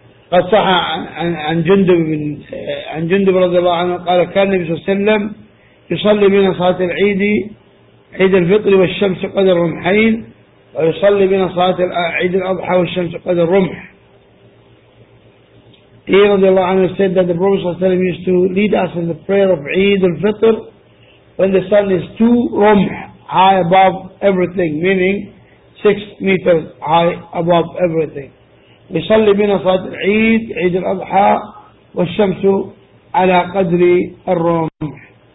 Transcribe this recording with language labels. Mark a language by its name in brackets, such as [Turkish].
[Arabic] فصح عن جندب من عن جندب رضي الله عنه قال كان النبي صلى الله عليه وسلم يصلي بين صلاة العيد عيد الفطر والشمس قد الرمحين ويصلي بين صلاة عيد الأضحى والشمس قد الرمح. [English] He [Arabic] رضي الله عنه [English] said that the Prophet [Arabic] صلى الله عليه وسلم [English] used to lead us in the prayer of عيد الفطر when the sun is 2 رمح high above everything, meaning 6 meters high above everything. [Arabic] يصلي بين صلاة العيد عيد الأضحى والشمس على قدر الرمح.